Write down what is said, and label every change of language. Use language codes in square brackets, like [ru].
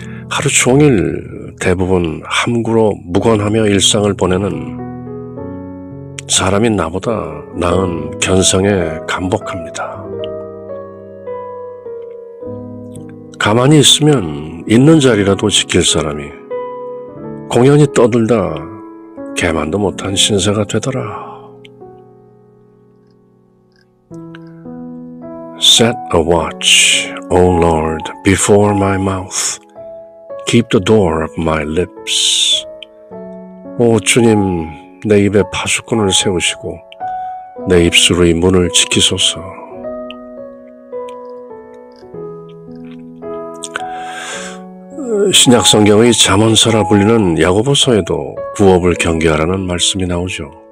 [ko] 하루 종일 대부분 함구로 무관하며 일상을 보내는 사람인 나보다 나은 견성에 감복합니다. 가만히 있으면 있는 자리라도 지킬 사람이 공연히 떠들다 개만도 못한 신세가 되더라. [en] Set a watch, O Lord, before my mouth. Keep the door of my lips. [ko] 오 주님, 내 입에 파수꾼을 세우시고 내 입술의 문을 지키소서. 신약성경의 잠언서라 불리는 야고보서에도 구업을 경계하라는 말씀이 나오죠.